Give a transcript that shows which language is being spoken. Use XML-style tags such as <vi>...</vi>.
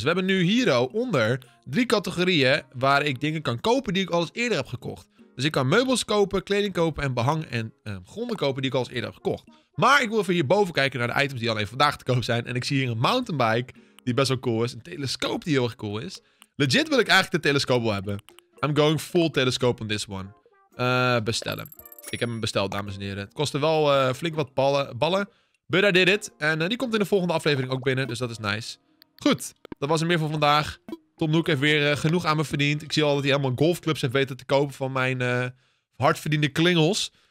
<nl>We hebben nu hier onder drie categorieën waar ik dingen kan kopen die ik al eens eerder heb gekocht. Dus ik kan meubels kopen, kleding kopen en behang en gronden kopen die ik al eens eerder heb gekocht. Maar ik wil even hierboven kijken naar de items die alleen vandaag te koop zijn. En ik zie hier een mountainbike die best wel cool is. Een telescoop die heel erg cool is. Legit wil ik eigenlijk de telescoop wel hebben.</nl> <en>I'm going full telescope on this one.</en> <nl>Bestellen. Ik heb hem besteld, dames en heren. Het kostte wel flink wat ballen.</nl> <en>But I did it.</en> <nl>En die komt in de volgende aflevering ook binnen, dus dat is nice. Goed, dat was het meer voor vandaag. Tom Nook heeft weer genoeg aan me verdiend. Ik zie al dat hij helemaal golfclubs heeft weten te kopen van mijn hardverdiende klingels.</nl>